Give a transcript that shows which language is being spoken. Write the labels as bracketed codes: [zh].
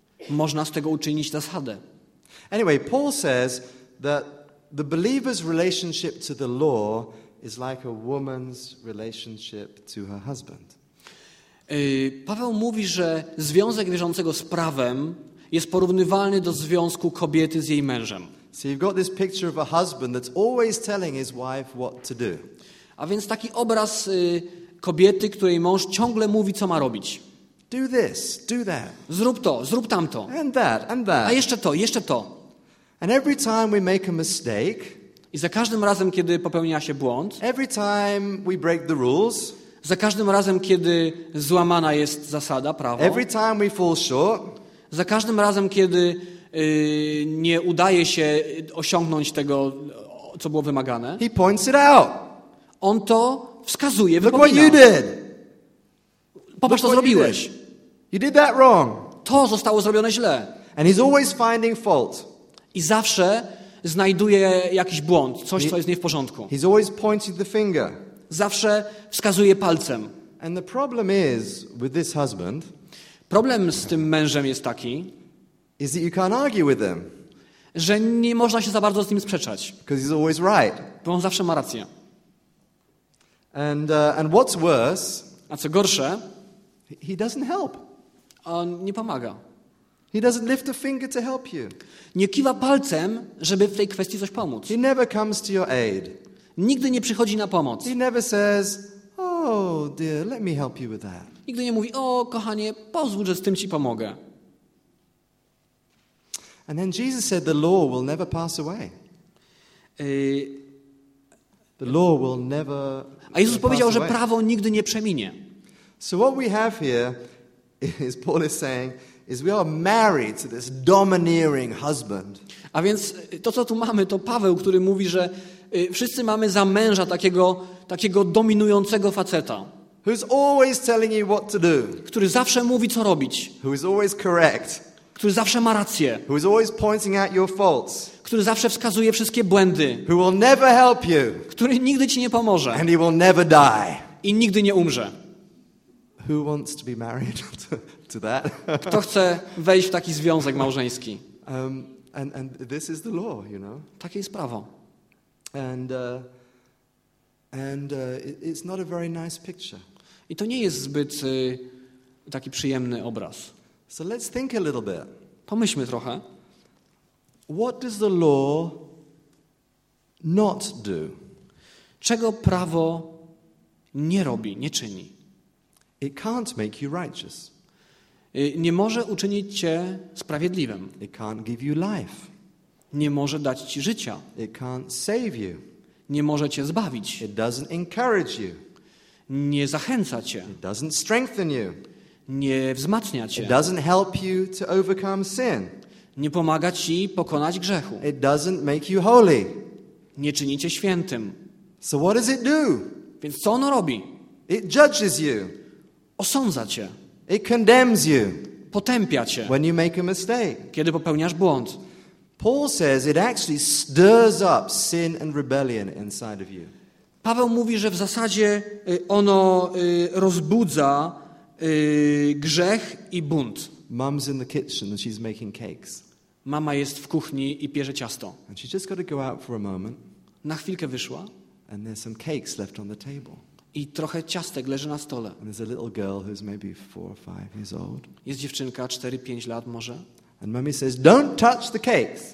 [pl] Można z tego uczynić zasadę. [en] Anyway, Paul says that the believer's relationship to the law is like a woman's relationship to her husband. [pl] Paweł mówi, że związek wierzącego z prawem jest porównywalny do związku kobiety z jej mężem. [en] So you've got this picture of a husband that's always telling his wife what to do. [pl] A więc taki obraz kobiety, której mąż ciągle mówi, co ma robić. [en] Do this, do that. [pl] Zrób to, zrób tamto. [en] And that, and that. [pl] A jeszcze to, jeszcze to. [en] And every time we make a mistake, [pl] i za każdym razem, kiedy popełnia się błąd, [en] every time we break the rules, [pl] za każdym razem, kiedy złamana jest zasada, prawo, [en] every time we fall short, [pl] za każdym razem, kiedy nie udaje się osiągnąć tego, co było wymagane, [en] he points it out. [pl] On to wskazuje, [en] look [pl] wypomina. [en] What you did. [pl] Popatrz, [en] look [pl] to zrobiłeś. [en] You did that wrong. [pl] To zostało zrobione źle. [en] And he's always finding fault. [pl] I zawsze znajduje jakiś błąd, coś, co jest nie w porządku. [en] He's always pointing the finger. [pl] Zawsze wskazuje palcem. [en] And the problem is with this husband. [pl] Problem z tym mężem jest taki, [en] is that you can't argue with him. [pl] Że nie można się za bardzo z nim sprzeczać. [en] Because he's always right. [pl] Bo on zawsze ma rację. [en] And what's worse? [pl] A co gorsze? [en] He doesn't help. [pl] On nie pomaga. [en] He doesn't lift a finger to help you. [pl] Nie kiwa palcem, żeby w tej kwestii coś pomóc. [en] He never comes to your aid. [pl] Nigdy nie przychodzi na pomoc. [en] He never says, "Oh dear, let me help you with that." [pl] Nigdy nie mówi: "O kochanie, pozwól, że z tym ci pomogę." [en] And then Jesus said, "The law will never pass away." The law will never. [pl] A Jezus powiedział, że prawo nigdy nie przeminie. [en] So what we have here is Paul is saying is we are married to this domineering husband. [pl] A więc to, co tu mamy, to Paweł, który mówi, że wszyscy mamy za męża takiego dominującego faceta. [en] Who's always telling you what to do? [pl] Który zawsze mówi, co robić. [en] Who is always correct? [pl] Który zawsze ma rację. [en] Who is always pointing out your faults? [pl] Który zawsze wskazuje wszystkie błędy. [en] Who will never help you? [pl] Który nigdy ci nie pomoże. [en] And he will never die. [pl] I nigdy nie umrze. [en] Who wants to be married to that? [pl] Kto chce wejść w taki związek małżeński? [en] And this is the law, you know. [pl] Takie jest prawo. [en] And it's not a very nice picture. [pl] I to nie jest zbyt taki przyjemny obraz. [en] So let's think a little bit. [pl] Pomyślmy trochę. [en] What does the law not do? [pl] Czego prawo nie robi, nie czyni? [en] It can't make you righteous. [pl] Nie może uczynić cię sprawiedliwym. [en] It can't give you life. [pl] Nie może dać ci życia. [en] It can't save you. [pl] Nie może cię zbawić. [en] It doesn't encourage you. [pl] Nie zachęca cię. [en] It doesn't strengthen you. [pl] Nie wzmacnia cię. [en] It doesn't help you to overcome sin. [pl] Nie pomaga ci pokonać grzechu. [en] It doesn't make you holy. [pl] Nie czyni cię świętym. [en] So what does it do? [pl] Więc co ono robi? [en] It judges you. [pl] osądza cię. [en] It condemns you. [pl] Potępia cię. [en] When you make a mistake. [pl] Kiedy popełniasz błąd. [en] Paul says it actually stirs up sin and rebellion inside of you. [pl] Paweł mówi, że w zasadzie ono rozbudza grzech i bunt. [en] Mom's in the kitchen and she's making cakes. [pl] Mama jest w kuchni i pierze ciasto. [en] And she just got to go out for a moment. [pl] Na chwilkę wyszła. [en] And there's some cakes left on the table. [pl] I trochę ciastek leży na stole. [en] And there's a little girl who's maybe 4 or 5 years old. [pl] Jest dziewczynka 4-5 lat może. [en] And mommy says, "Don't touch the cakes."